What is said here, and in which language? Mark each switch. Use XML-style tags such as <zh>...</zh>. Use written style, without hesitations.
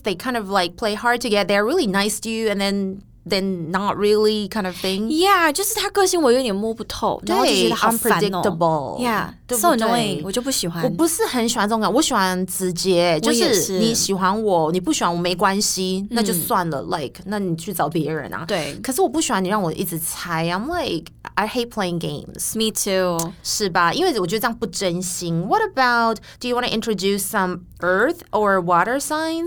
<en>They kind of like play hard to get. They're really nice to you, and then not really kind of thing.</en> <zh>Yeah, 就是他个性我有点摸不透，然后就觉得好烦哦。</zh> <en>Unpredictable. Yeah, so annoying.</en> <zh>我就不喜欢。我不是很喜欢这种感，我喜欢直接，就是你喜欢我，你不喜欢我没关系，那就算了。 Like, 那你去找别人啊。对。可是我不喜欢你让我一直猜。</zh> <en>I'm like. I hate playing games. Me too.</en> <zh>是吧？因为我觉得这样不真心。</zh> <en>What about, do you want to introduce some earth or water signs?</en>